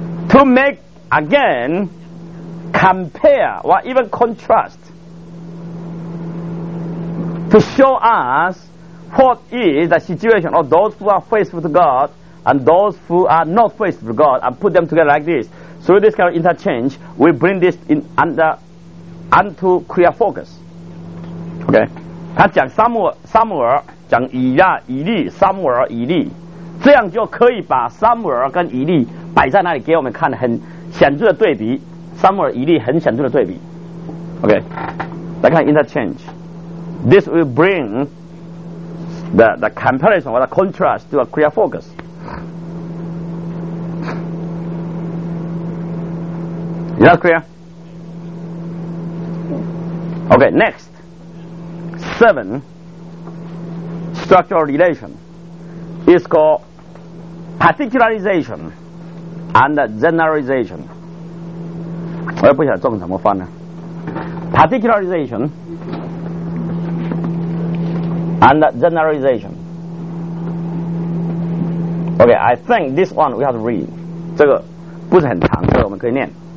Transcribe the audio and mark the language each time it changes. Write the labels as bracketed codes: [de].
[en] To make again compare or even contrast to show us. What is the situation of those who are faithful to God and those who are not faithful to God, and put them together like this. Through this kind of interchange, we bring this in unto clear focus. Okay. [zh] 他讲撒母耳，讲以亚、以利，撒母耳、以利，这样就可以把撒母耳跟以利摆在那里给我们看，很显著的对比。撒母耳、以利很显著的对比。 [en] Okay. [zh] 来看 [en] interchange. This will bring... The comparison or the contrast to a clear focus. Is that clear? Okay, next. Seven structural relation is called particularization and generalization. [zh] 我也不想中怎么翻呢 [en] Particularization and generalization. Okay, I think this one we have to read. [zh] 这个不是很长，所以我们可以念。